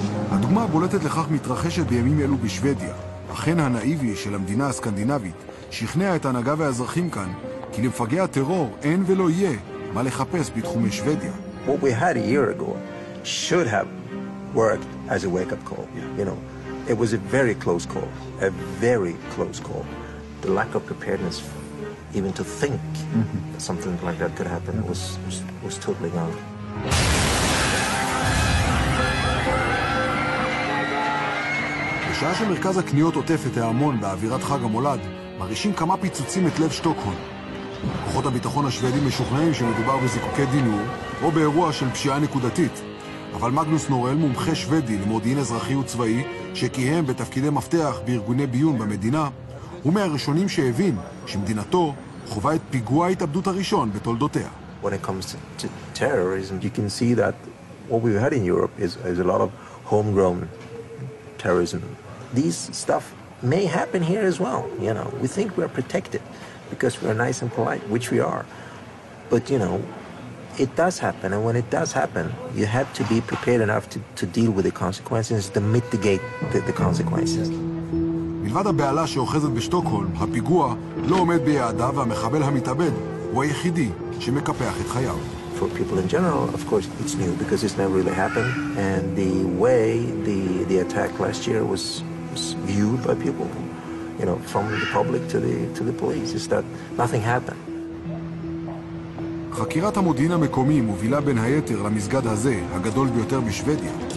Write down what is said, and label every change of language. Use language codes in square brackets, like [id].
[he] הדוגמה הבולטת לכך מתרחשת בימים אלו בשוודיה. החן הנאיבי של המדינה הסקנדינבית שכנע את ההנהגה והאזרחים כאן כי למפגעי הטרור אין ולא יהיה מה לחפש בתחומי שוודיה. [en] What we had a year ago should have worked as a wake-up call. Yeah. You know, it was a very close call, a very close call. The lack of preparedness even to think that something like that could happen was totally gone. [he] בשעה שמרכז הקניות עוטף את ההמון באווירת חג המולד, מרישים כמה פיצוצים את לב שטוקהולם. כוחות הביטחון השוודים משוכנעים שמדובר בזיקוקי דינור או באירוע של פשיעה נקודתית. אבל מגנוס נורל, מומחה שוודי למודיעין אזרחי וצבאי, שקיים בתפקידי מפתח בארגוני ביון במדינה, הוא מהראשונים שהבין שמדינתו חווה את פיגוע ההתאבדות הראשון בתולדותיה. [en] When it comes to terrorism, you can see that what we've had in Europe is a lot of homegrown terrorism. These stuff may happen here as well, you know. We think we're protected because we're nice and polite, which we are. But, you know, it does happen, and when it does happen, you have to be prepared enough to deal with the consequences, to mitigate the consequences. [he] מלבד הבעלה שאוחזת בשטוקהולם, הפיגוע לא עומד ביעדה, והמחבל המתאבד הוא היחידי שמקפח את חייו. [en] For people in general, of course, it's new because it's never really happened. And the way the attack last year was viewed by people, you know, from the public to the police, is that nothing happened. [he] חקירת המודיעין המקומי מובילה בין היתר למסגד הזה, הגדול ביותר בשוודיה.